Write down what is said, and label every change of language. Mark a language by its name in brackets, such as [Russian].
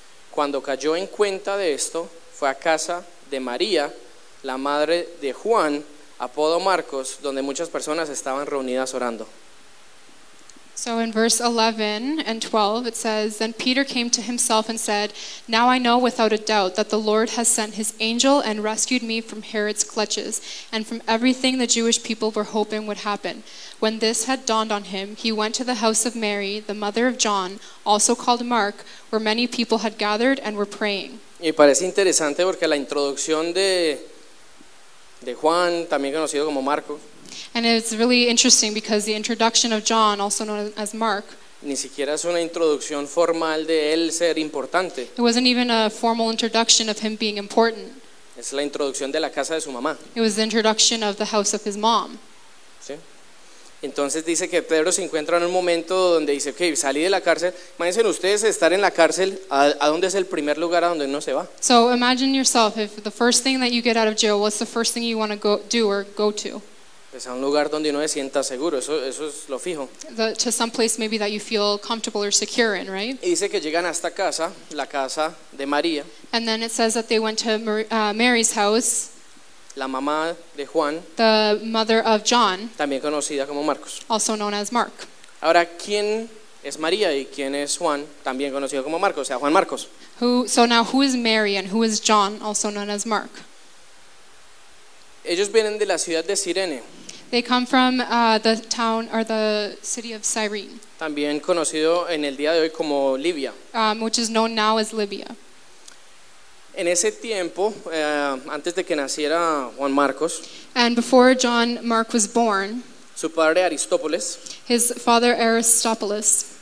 [Spanish] Cuando cayó en cuenta de esto, fue a casa de María, la madre de Juan, apodo Marcos, donde muchas personas estaban reunidas orando. [English] So in verse 11 and 12, it says, "Then Peter came to himself and said, 'Now I know without a doubt that the Lord has sent his angel and rescued me from Herod's clutches and from everything the Jewish people were hoping would happen.' When this had dawned on him, he went to the house of Mary, the mother of John, also called Mark, where many people had gathered and were praying." [Spanish] Y parece interesante porque la introducción de Juan, también conocido como Marco, [English] and it's really interesting because the introduction of John, also known as Mark, [Spanish] ni siquiera es una introducción formal de él ser importante. [English] It wasn't even a formal introduction of him being important. [Spanish] Es la introducción de la casa de su mamá. [English] It was the introduction of the house of his mom. [Spanish] ¿Sí? Entonces dice que Pedro se encuentra en un momento donde dice, okay, salí de la cárcel. Imagínense ustedes estar en la cárcel, ¿a dónde es el primer lugar a donde uno se va? [English] So imagine yourself, if the first thing that you get out of jail, what's the first thing you want to go do or go to? [Spanish] Pues a un lugar donde uno se sienta seguro, eso es lo fijo. [English] To some place maybe that you feel comfortable or secure in, right? [Spanish] Y dice que llegan a esta casa, la casa de María. [English] And then it says that they went to Mary's house. [Spanish] La mamá de Juan. [English] The mother of John. [Spanish] También conocida como Marcos. [English] Also known as Mark. [Spanish] Ahora, ¿quién es María y quién es Juan? También conocido como Marcos, o sea, Juan Marcos. [English] Who is Mary and who is John, also known as Mark? [Spanish] Ellos vienen de la ciudad de Cirene. [English] They come from the town or the city of Cyrene. [Spanish] También conocido en el día de hoy como Libia. [English] Which is known now as Libya. [Spanish] En ese tiempo, antes de que naciera Juan Marcos, [English] and before John Mark was born, [Spanish] su padre Aristópolis, [English] his father Aristópolis,